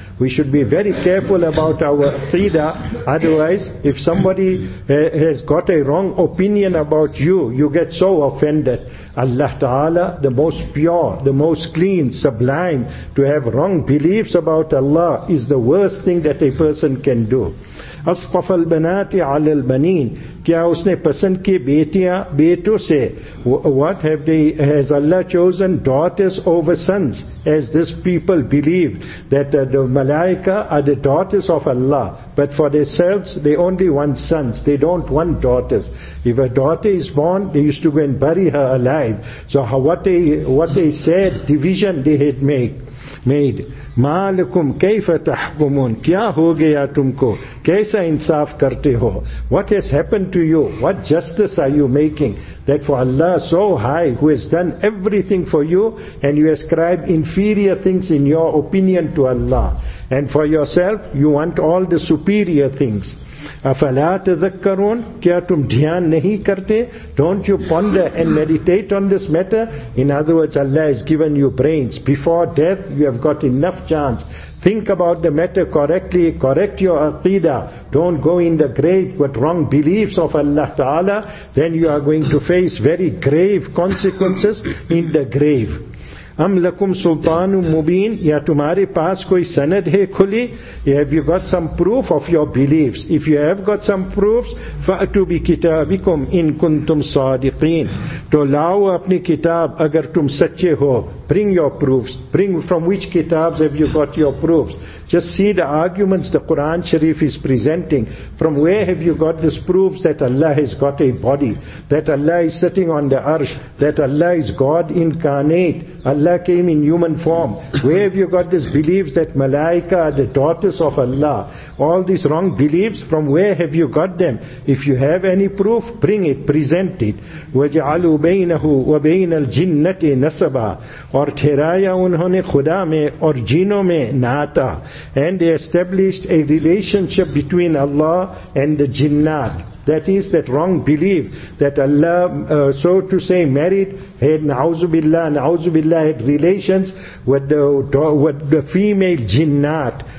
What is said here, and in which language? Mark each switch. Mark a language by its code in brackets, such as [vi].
[en] We should be very careful about our aqidah. Otherwise, if somebody has got a wrong opinion about you, you get so offended. Allah Ta'ala, the most pure, the most clean, sublime, to have wrong beliefs about Allah is the worst thing that a person can do. [ar] أصطفى البنات على البنين. [ur] کیا اس نے پسند کی بیٹیاں بیٹوں سے. [en] What have they, has Allah chosen daughters over sons, as this people believe that the malaika are the daughters of Allah, but for themselves they only want sons, they don't want daughters. If a daughter is born, they used to go and bury her alive. So what they said, division they had made. [ar] مَالَكُمْ كَيْفَ تَحْكُمُونَ. [ur] کیا ہو گیا تم کو, کیسا انصاف کرتے ہو. [en] What has happened to you? What justice are you making? That for Allah so high, who has done everything for you, and you ascribe inferior things in your opinion to Allah. And for yourself, you want all the superior things. [ar] أَفَلَا تَذَكَّرُونَ. [ur] کیا تم دھیان نہیں کرتے. [en] Don't you ponder and meditate on this matter? In other words, Allah has given you brains. Before death, you have got enough chance. Think about the matter correctly, correct your aqidah. Don't go in the grave with wrong beliefs of Allah Ta'ala. Then you are going to face very grave consequences in the grave. [ar] أَمْ لَكُمْ سُلْطَانٌ مُبِينٌ. [ur] یا تمہارے پاس کوئی سند ہے کھلی. [en] Have you got some proof of your beliefs? If you have got some proofs, [ar] فَأْتُوا بِكِتَابِكُمْ إِن كُنْتُمْ صَادِقِينَ. [ur] تو لاؤ اپنی کتاب اگر تم سچے ہو. [en] Bring your proofs. Bring from which kitabs have you got your proofs? Just see the arguments the Quran Sharif is presenting. From where have you got this proofs that Allah has got a body, that Allah is sitting on the arsh, that Allah is God incarnate, Allah came in human form? Where have you got this beliefs that malaika are the daughters of Allah? All these wrong beliefs, from where have you got them? If you have any proof, bring it, present it. [ar] وَجَعَلُوا بَيْنَهُ وَبَيْنَ الْجِنَّةِ نَسَبًا. [ur] اور ٹھہرایا انہوں نے خدا میں اور جنوں میں ناتا. [en] And they established a relationship between Allah and the jinnat. That is that wrong belief that Allah, so to say, married, had na'uzubillah, had relations with the female jinnat.